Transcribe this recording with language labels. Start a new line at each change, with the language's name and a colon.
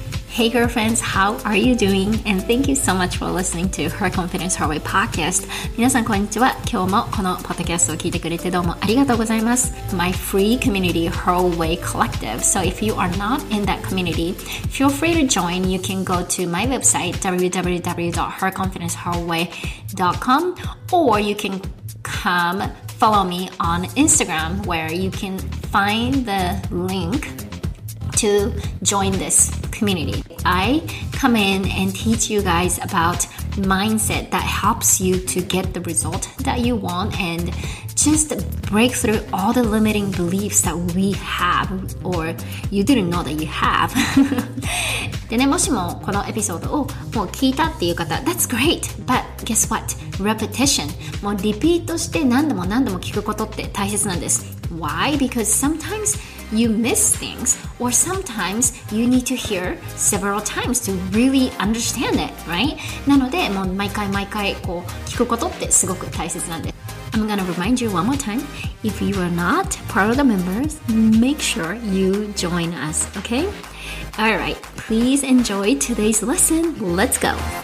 English: Hey, girlfriends, how are you doing? And thank you so much for listening to Her Confidence Her Way podcast.
Japanese: 皆さん、こんにちは。今日もこのポッドキャストを聞いてくれてどうもありがとうございます。
English: My free community, Her Way Collective. So if you are not in that community, feel free to join. You can go to my website, www.herconfidenceherway.com, or you can come follow me on Instagram, where you can find the link to join this community. I come in and teach you guys about mindset that helps you to get the result that you want and just break through all the limiting beliefs that we have or you didn't know that you have.
Japanese: でね、もしもこのエピソードをもう聞いたっていう方、
English: That's great! But guess what? Repetition.
Japanese: もうリピートして何度も何度も聞くことって大切なんです。
English: Why? Because sometimes you miss things or sometimes you need to hear several times to really understand it, right?
Japanese: なので、もう毎回毎回こう聞くことってすごく大切なんです。
English: I'm gonna remind you one more time. If you are not part of the members, make sure you join us, okay? Alright, please enjoy today's lesson. Let's go!